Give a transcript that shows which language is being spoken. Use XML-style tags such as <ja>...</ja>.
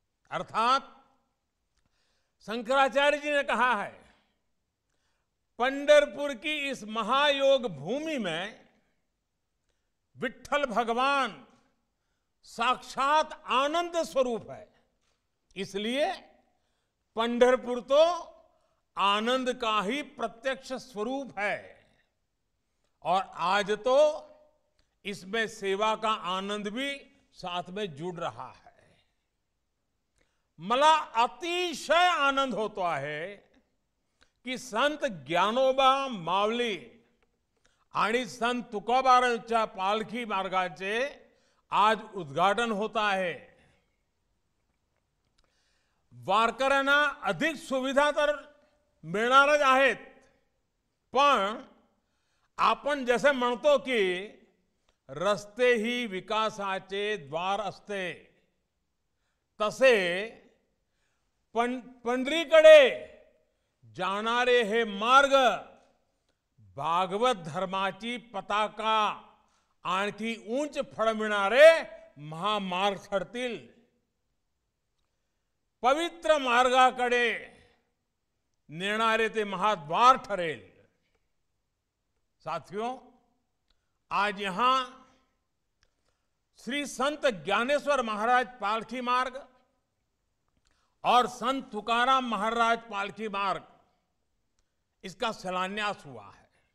<hi>अर्थात शंकराचार्य जी ने कहा है, पंढरपुर की इस महायोग भूमि में विट्ठल भगवान साक्षात आनंद स्वरूप है, इसलिए पंढरपुर तो आनंद का ही प्रत्यक्ष स्वरूप है और आज तो इसमें सेवा का आनंद भी साथ में जुड़ रहा है।</hi> <mr>मला अतिशय आनंद होतो आहे कि संत ज्ञानोबा मावली आणि संत तुकोबारांच्या पालखी मार्गाचे आज उद्घाटन होता आहे। वारकऱ्यांना अधिक सुविधा तर मिळणारच आहेत, पण आपण जसे म्हणतो की रस्ते ही विकासाचे द्वार असते, तसे पंढरीकडे जाणारे हे मार्ग भागवत धर्माची पताका आणखी उंच फडविणारे महामार्ग ठरतील। पवित्र मार्गाकडे नेणारे ते महाद्वार ठरेल।</mr> <hi>साथियों, आज यहां श्री संत ज्ञानेश्वर महाराज पालखी मार्ग और संत तुकाराम महाराज पालखी मार्ग, इसका शिलान्यास हुआ है।</hi>